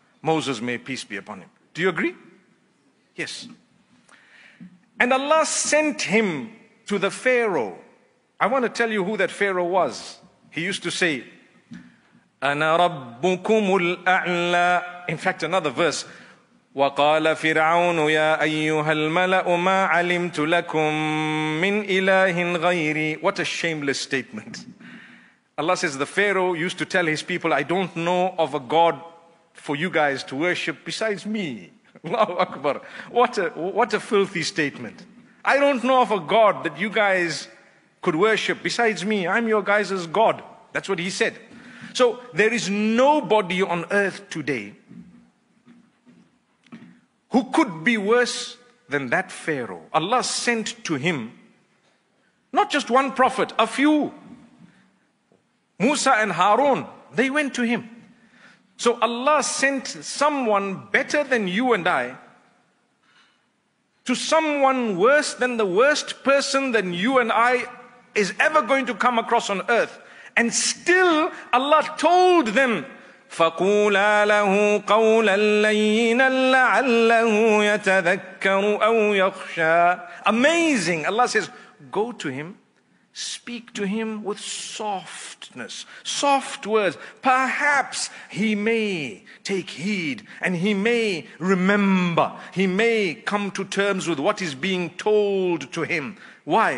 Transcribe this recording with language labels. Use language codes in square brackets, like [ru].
[en] Moses, may peace be upon him. Do you agree? Yes. And Allah sent him to the Pharaoh. I want to tell you who that Pharaoh was. He used to say, [ar] Ana Rabbukumul A'la. [en] In fact, another verse, [ar] وقال فرعون يا أيها الملأ ما علمت لكم من إله غيري. [en] What a shameless statement. Allah says the Pharaoh used to tell his people, I don't know of a God for you guys to worship besides me. Allahu Akbar. What a filthy statement. I don't know of a God that you guys could worship besides me. I'm your guys' God. That's what he said. So there is nobody on earth today who could be worse than that Pharaoh. Allah sent to him not just one prophet, a few. Musa and Harun, they went to him. So Allah sent someone better than you and I to someone worse than the worst person than you and I is ever going to come across on earth. And still Allah told them, [ar] فَقُولَا لَهُ قَوْلًا لَيِّنًا لَعَلَّهُ يَتَذَكَّرُ أَوْ يَخْشَى. [en] Amazing. Allah says, go to him, speak to him with softness, soft words. Perhaps he may take heed and he may remember. He may come to terms with what is being told to him. Why?